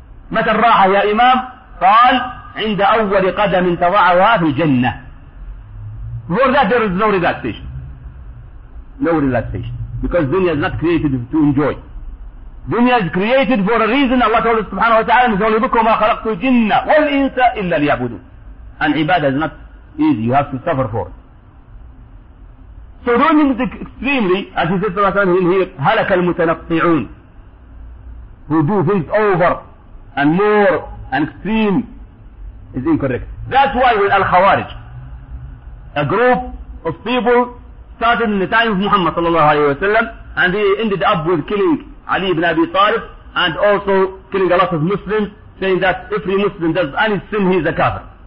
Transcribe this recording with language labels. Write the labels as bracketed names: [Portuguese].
[Arabic] متى الراحة يا إمام؟ قال عند أول قدم تضعها في الجنة. [English] Before that there is no relaxation. No relaxation. Because dunya is not created to enjoy. Dunya is created for a reason. Allah told us subhanahu wa ta'ala, [Arabic] إِنَّ ذَوْلِبُكُمْ مَا خَلَقْتُ جِنَّ وَالْإِنْسَ إِلَّا لِيَعْبُدُونَ. [English] And ibadah is not easy. You have to suffer for it. So doing it extremely, as he says sallallahu alayhi wa sallam, [Arabic] هَلَكَ الْمُتَنَطِّعُونَ, [English] who do things over and more and extreme, is incorrect. That's why with Al-Khawarij, a group of people started in the time of Muhammad sallallahu alayhi wa sallam, and they ended up with killing Ali ibn Abi Talib and also killing a lot of Muslims, saying that every Muslim does any sin, he is a kafir.